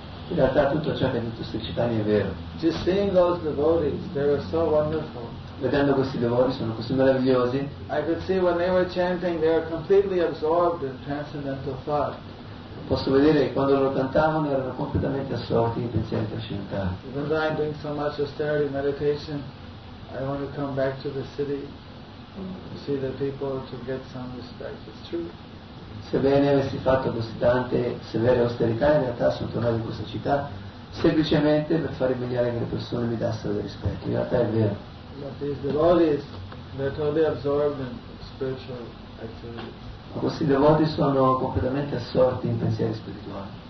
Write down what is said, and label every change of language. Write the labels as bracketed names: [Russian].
[Italian] In realtà tutto ciò che ha detto Sri Chaitanya è vero. [English] Just seeing those devotees, they were so wonderful. [Italian] Vedendo questi devoti sono così meravigliosi. [English] I could see when they were chanting, they were completely absorbed in transcendental thought. [Italian] Posso vedere che quando loro cantavano erano completamente assorti in pensieri trascendentali. [English] Even though I'm doing so much austerity meditation, I want to come back to the city to see the people to get some respect. It's true. [Italian] Sebbene avessi fatto così tante severe austerità, in realtà sono tornato in questa città semplicemente per fare migliorare che le persone mi dessero del rispetto. In realtà è vero. Ma questi devoti sono completamente assorti in pensieri spirituali.